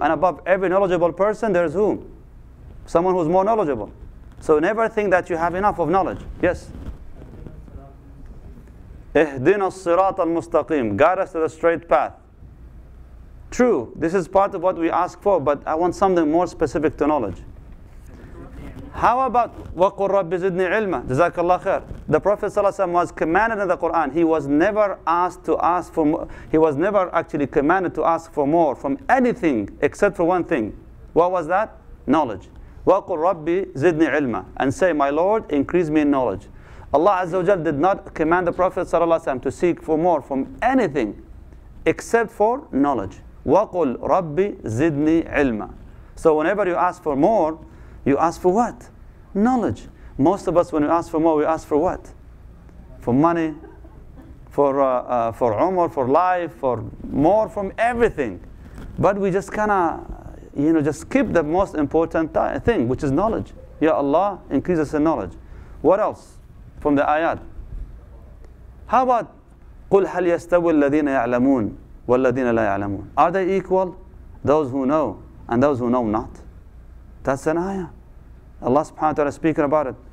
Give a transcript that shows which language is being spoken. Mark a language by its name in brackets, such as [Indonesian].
[English] And above every knowledgeable person, there is whom? Someone who is more knowledgeable. So never think that you have enough of knowledge. Yes. [Arabic] اهْدِنَا الصِّرَاطَ الْمُسْتَقِيمَ. [English] Guide us to the straight path. True, this is part of what we ask for, but I want something more specific to knowledge. How about [Arabic] وَقُلْ رَبِّ زِدْنِي عِلْمًا. [English] Jazakallah khair. The Prophet ﷺ was commanded in the Quran. He was never asked to ask for more. He was never actually commanded to ask for more from anything except for one thing. What was that? Knowledge. [Arabic] وَقُلْ رَبِّ زِدْنِي عِلْمًا. [English] And say, my Lord, increase me in knowledge. Allah Azza wa Jal did not command the Prophet ﷺ to seek for more from anything except for knowledge. [Arabic] وَقُلْ رَبِّ زِدْنِي عِلْمًا. [English] So whenever you ask for more, you ask for what? Knowledge. Most of us, when we ask for more, we ask for what? For money, for umr, for life, for more, from everything. But we just kind of, you know, just skip the most important thing, which is knowledge. Ya Allah, increase us in knowledge. What else from the ayat? How about [Arabic] قُلْ هَلْ يَسْتَوِي الَّذِينَ يَعْلَمُونَ وَالَّذِينَ لَا يَعْلَمُونَ. [English] Are they equal? Those who know and those who know not. That's an ayah. Allah subhanahu wa ta'ala is speaking about it.